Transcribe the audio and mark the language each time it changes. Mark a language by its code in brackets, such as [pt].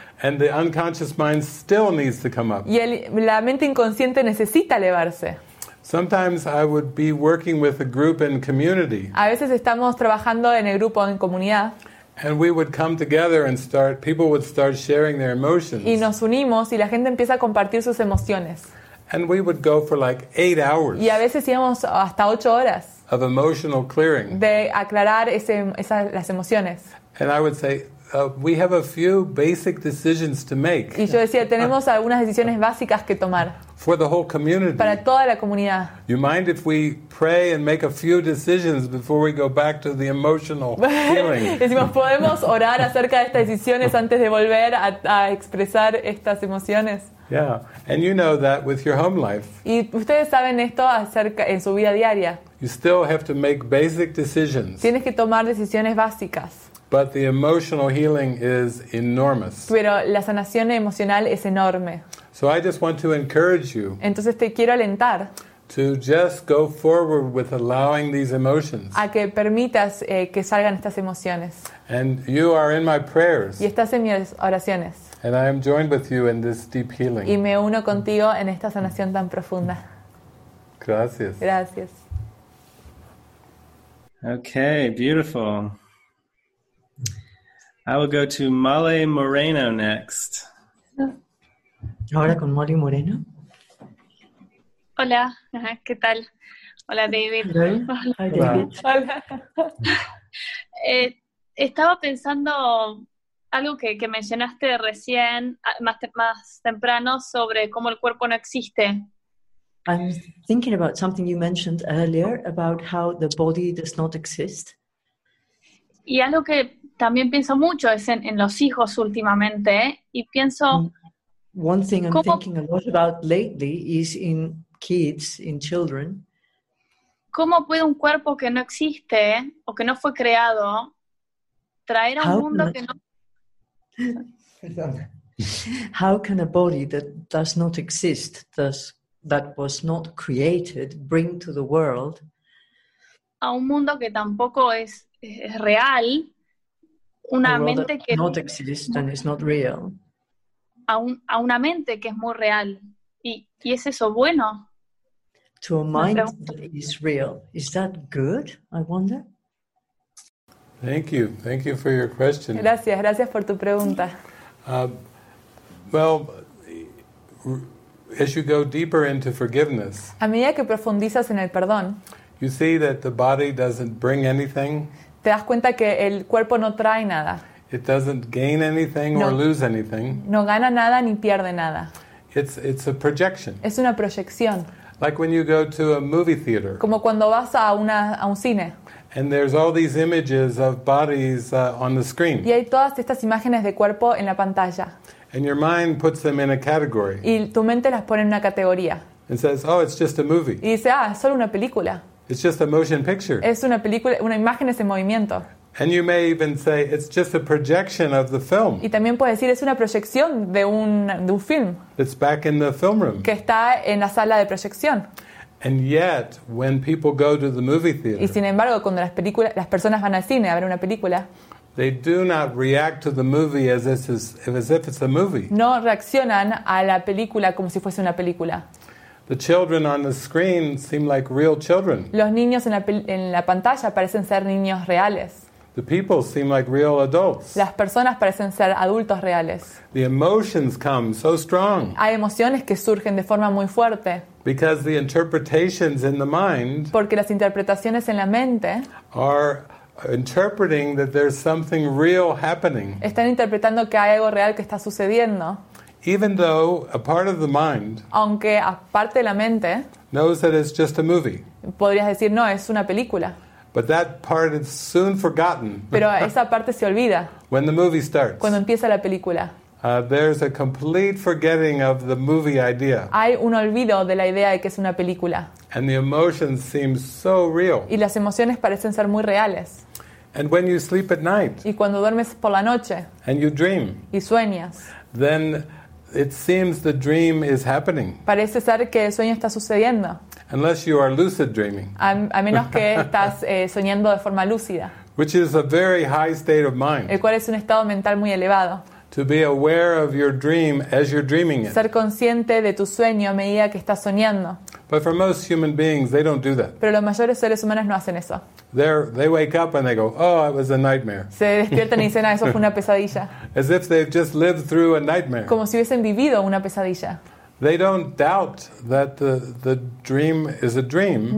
[en] And the unconscious mind still needs to come up. [es] Y la mente inconsciente necesita elevarse. [en] Sometimes I would be working with a group in community. [es] A veces estamos trabajando en el grupo en comunidad. [en] And we would come together and start. People would start sharing their emotions. [es] Y nos unimos y la gente empieza a compartir sus emociones. [en] And we would go for like 8 hours. [es] Y a veces íbamos hasta 8 horas. [en] Of emotional clearing. [es] De aclarar las emociones. [en] And I would say, we have a few basic decisions to make. [es] Y yo decía, tenemos algunas decisiones básicas que tomar. [en] For the whole community. [es] Para toda la comunidad. [en] You mind if we pray and make a few decisions before we go back to the emotional feeling? [es] Decimos, ¿podemos orar acerca de estas decisiones antes de volver a expresar estas emociones? [en] Yeah, and you know that with your home life. [es] Y ustedes saben esto acerca en su vida diaria. [en] You still have to make basic decisions. [es] Tienes que tomar decisiones básicas. [en] But the emotional healing is enormous. [es] Pero la sanación emocional es enorme. [en] So I just want to encourage you. [es] Entonces te quiero alentar. [en] To just go forward with allowing these emotions. [es] A que permitas que salgan estas emociones. [en] And you are in my prayers. [es] Y estás en mis oraciones. [en] And I am joined with you in this deep healing. [es] Y me uno contigo en esta sanación tan profunda. Gracias. Gracias. [en] Okay, beautiful. I will go to Molly Moreno next. [es] Ahora con Molly Moreno. Hola, ¿qué tal? Hola, David. Hola. Estaba pensando algo que mencionaste recién, más temprano, sobre cómo el cuerpo no existe. [en] I'm thinking about something you mentioned earlier about how the body does not exist. [es] Y algo que también pienso mucho es en los hijos últimamente, y pienso... [en] One thing I'm thinking a lot about lately is in kids, in children. [es] ¿Cómo puede un cuerpo que no existe o que no fue creado traer a un mundo que no... [en] How can a body that does not exist, that was not created, bring to the world... [es] A un mundo que tampoco es real, una mente que... [en] Not exist and is not real. [es] A una mente que es muy real. ¿Y es eso bueno? [en] To a mind that is real. Is that good, I wonder? Thank you. Thank you for your question. [es] Gracias, gracias por tu pregunta. [en] As you go deeper into forgiveness, [es] a medida que profundizas en el perdón, [en] you see that the body doesn't bring anything. [es] Te das cuenta que el cuerpo no trae nada. [en] It doesn't gain anything or lose anything. [es] No gana nada ni pierde nada. [en] It's a projection. [es] Es una proyección. [en] Like when you go to a movie theater. [es] Como cuando vas a un cine. [en] And there's all these images of bodies on the screen. [es] Y hay todas estas imágenes de cuerpo en la pantalla. [en] And your mind puts them in a category. [es] Y tu mente las pone en una categoría. [en] And says, "Oh, it's just a movie." [es] Y dice, "Ah, es solo una película." [en] It's just a motion picture. [es] Es una película, una imagen es en movimiento. [en] And you may even say it's just a projection of the film. [es] Y también puedes decir es una proyección de un film. [en] It's back in the film room. [es] Que está en la sala de proyección. [en] And yet, when people go to the movie theater. [es] Y sin embargo, cuando las personas van al cine a ver una película. [en] They do not react to the movie as if it's a movie. [es] No reaccionan a la película como si fuese una película. [en] The children on the screen seem like real children. [es] Los niños en la pantalla parecen ser niños reales. [en] The people seem like real adults. [es] Las personas parecen ser adultos reales. [en] The emotions come so strong. [es] Hay emociones que surgen de forma muy fuerte. [en] Because the interpretations in the mind. [es] Porque las interpretaciones en la mente. [en] Are interpreting that there's something real happening. [es] Están interpretando que hay algo real que está sucediendo. [en] Even though a part of the mind. [es] Aunque aparte de la mente. [en] Knows that it's just a movie. [es] Podrías decir no, es una película. [en] But that part is soon forgotten. [es] Pero esa parte se olvida. [en] When the movie starts. [es] Cuando empieza la película. [en] There's a complete forgetting of the movie idea. [es] Hay un olvido de la idea de que es una película. [en] And the emotions seem so real. [es] Y las emociones parecen ser muy reales. [en] And when you sleep at night. [es] Y cuando duermes por la noche. [en] And you dream. [es] Y sueñas. [en] Then it seems the dream is happening. [es] Parece ser que el sueño está sucediendo. [en] Unless you are lucid dreaming. [es] A menos que estás soñando de forma lúcida. [en] Which is a very high state of mind. [es] El cual es un estado mental muy elevado. [en] To be aware of your dream as you're dreaming it. [es] Ser consciente de tu sueño a medida que estás soñando. [en] But for most human beings, they don't do that. [es] Pero los mayores seres humanos no hacen eso. [en] They wake up and they go, oh, it was a nightmare. [es] Se despiertan y dicen, ah, eso fue una pesadilla. [en] As if they've just lived through a nightmare. [es] Como si hubiesen vivido una pesadilla. [en] They don't doubt that the dream is a dream.